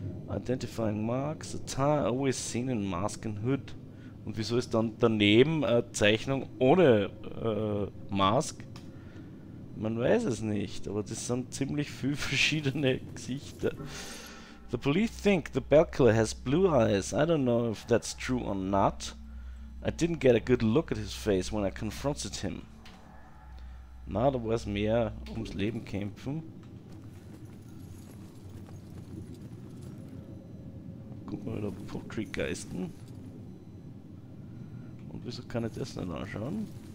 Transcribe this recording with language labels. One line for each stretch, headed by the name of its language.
English: Identifying marks, a tie always seen in mask and hood.
German: Und wieso ist dann daneben eine Zeichnung ohne Mask? Man weiß es nicht, aber das sind ziemlich viele verschiedene Gesichter.
English: The police think the Bellkiller has blue eyes. I don't know if that's true or not. I didn't get a good look at his face when I confronted him.
German: Na, da war es mehr ums Leben kämpfen. Guck mal, da Poultry-Geisten. Und wieso kann ich das nicht anschauen?